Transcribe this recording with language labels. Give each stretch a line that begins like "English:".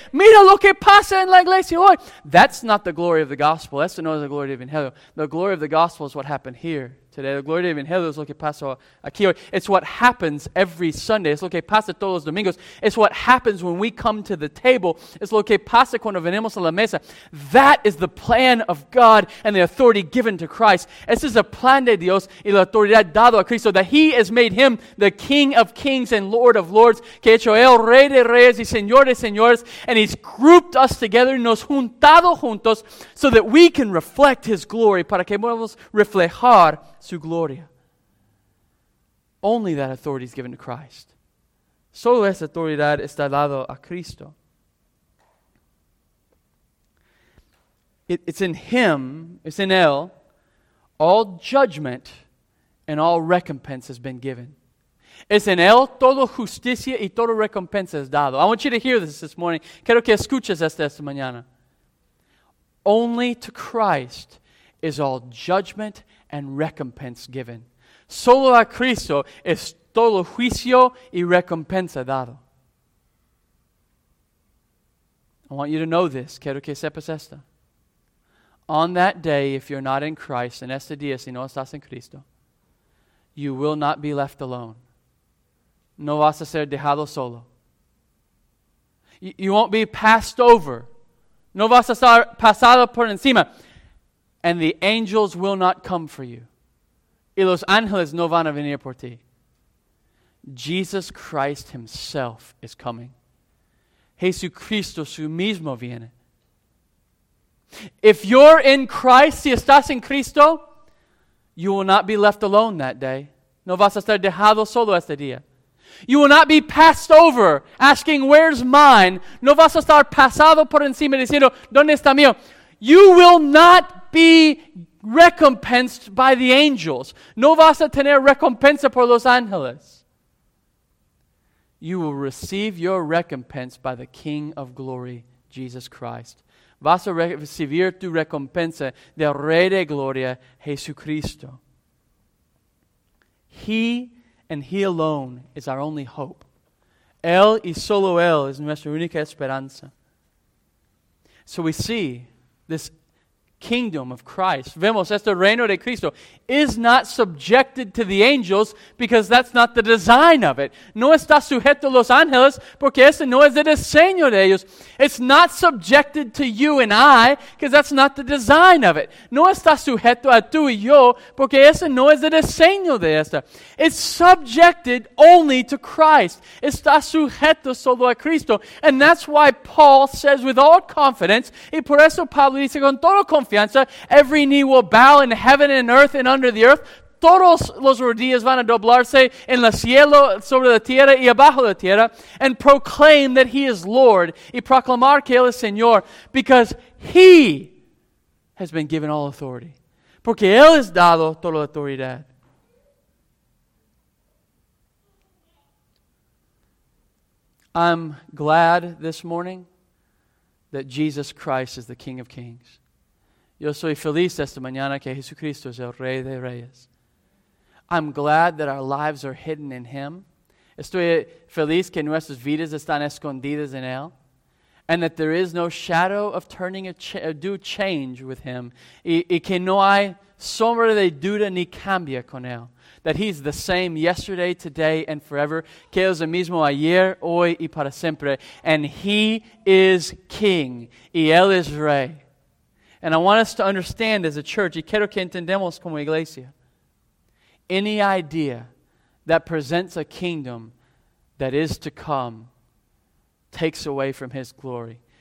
Spanish: Mira lo que pasa en la iglesia hoy.
English: That's not the glory of the gospel.
Spanish: Eso no es la gloria de Evangelio.
English: The glory of the gospel is what happened here today. The glory of Evangelio
Spanish: es lo que pasa aquí hoy.
English: It's what happens every Sunday.
Spanish: Es lo que pasa todos los domingos.
English: It's what happens when we come to the table.
Spanish: Es lo que pasa cuando venimos a la mesa.
English: That is the plan of God and the authority given to Christ.
Spanish: Ese es el plan de Dios y la autoridad dado a Cristo,
English: that He has made Him the King of kings and Lord of lords,
Spanish: que hecho Él Rey de reyes y Señor de señores,
English: and He's grouped us together,
Spanish: nos juntado juntos,
English: so that we can reflect His glory,
Spanish: para que podamos reflejar su gloria.
English: Only that authority is given to Christ.
Spanish: Solo esa autoridad está dado a Cristo.
English: It's in Him, it's in Él, all judgment and all recompense has been given.
Spanish: Es en Él toda justicia y toda recompensa es dado.
English: I want you to hear this morning.
Spanish: Quiero que escuches esta mañana.
English: Only to Christ is all judgment and recompense given.
Spanish: Solo a Cristo es todo juicio y recompensa dado.
English: I want you to know this.
Spanish: Quiero que sepas esto.
English: On that day, if you're not in Christ,
Spanish: en este día, si no estás en Cristo,
English: you will not be left alone.
Spanish: No vas a ser dejado solo.
English: You won't be passed over.
Spanish: No vas a estar pasado por encima.
English: And the angels will not come for you.
Spanish: Y los ángeles no van a venir por ti.
English: Jesus Christ himself is coming.
Spanish: Jesucristo su mismo viene.
English: If you're in Christ,
Spanish: si estás en Cristo,
English: you will not be left alone that day.
Spanish: No vas a estar dejado solo este día.
English: You will not be passed over asking, where's mine?
Spanish: No vas a estar pasado por encima diciendo, ¿dónde está mío?
English: You will not be recompensed by the angels.
Spanish: No vas a tener recompensa por los ángeles.
English: You will receive your recompense by the King of Glory, Jesus Christ.
Spanish: Vas a recibir tu recompensa del Rey de Gloria, Jesucristo.
English: He and He alone is our only hope.
Spanish: Él y solo Él es nuestra única esperanza.
English: So we see this kingdom of Christ.
Spanish: Vemos este reino de Cristo
English: is not subjected to the angels because that's not the design of it.
Spanish: No está sujeto a los ángeles porque ese no es el diseño de ellos.
English: It's not subjected to you and I because that's not the design of it.
Spanish: No está sujeto a tú y yo porque ese no es el diseño de esta.
English: It's subjected only to Christ.
Spanish: Está sujeto solo a Cristo.
English: And that's why Paul says with all confidence,
Spanish: y por eso Pablo dice con todo confianza,
English: every knee will bow in heaven and earth and under the earth.
Spanish: Todos los rodillas van a doblarse en el cielo, sobre la tierra y abajo la tierra,
English: and proclaim that He is Lord,
Spanish: y proclamar que Él es Señor,
English: because He has been given all authority.
Spanish: Porque Él es dado toda la autoridad.
English: I'm glad this morning that Jesus Christ is the King of Kings.
Spanish: Yo soy feliz esta mañana que Jesucristo es el Rey de Reyes.
English: I'm glad that our lives are hidden in Him.
Spanish: Estoy feliz que nuestras vidas están escondidas en Él.
English: And that there is no shadow of turning a change with Him.
Spanish: Y que no hay sombra de duda ni cambia con Él.
English: That He's the same yesterday, today, and forever.
Spanish: Que es el mismo ayer, hoy y para siempre.
English: And He is King.
Spanish: Y Él es Rey.
English: And I want us to understand as a church,
Spanish: y quiero que entendemos como iglesia,
English: any idea that presents a kingdom that is to come takes away from His glory.